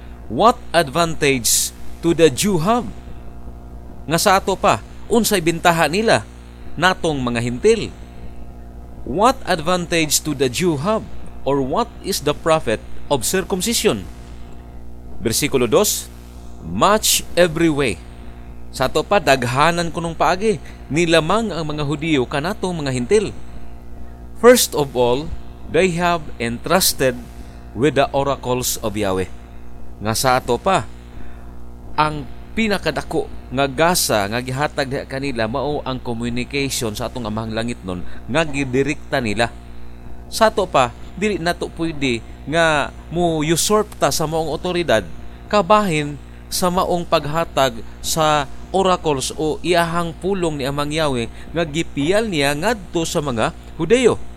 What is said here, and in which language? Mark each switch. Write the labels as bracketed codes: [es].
[en] What advantage to the Jew have? [ceb] Nga sa ato pa, unsay bintaha nila natong mga Hintil? [en] What advantage to the Jew have, or what is the profit of circumcision? Bersikulo 2, much every way. [ceb] Sa ato pa, daghanan kunong paagi, nilamang ang mga Hudiyo kanato mga Hintil. [en] First of all, they have entrusted with the oracles of Yahweh. [ceb] Nga sa ato pa, ang pinakadako nga gasa nga gihatag kanila mao ang communication sa atong Amahang Langit nun nga gidirekta nila. Sa ato pa, dili nato pwede nga mo usurp ta sa maong otoridad kabahin sa maong paghatag sa oracles o iyahang pulong ni Amang Yahweh nga gipial niya ngadto sa mga Hudeyo.